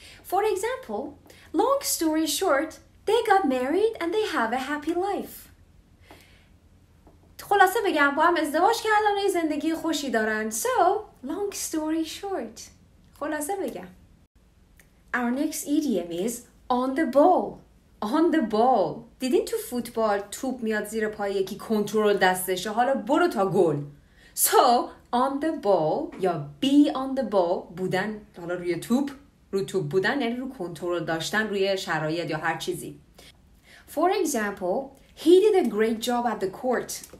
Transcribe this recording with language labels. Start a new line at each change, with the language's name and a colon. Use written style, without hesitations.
English: For example, long story short, they got married and they have a happy life.
Persian: خلاصه بگم با هم ازدواج کردن و زندگی خوشی دارن.
English: So, long story short.
Persian: خلاصه بگم.
English: Our next idiom is on the ball. On the ball.
Persian: دیدین تو فوتبال توپ میاد زیر پای یکی کنترل دستشه. حالا برو تا گل.
English: So, on the ball
Persian: یا
English: be on the ball
Persian: بودن حالا روی توپ. رو توب بودن یعنی رو کنترل داشتن روی شرایط یا هر چیزی.
English: For example, he did a great job at the court.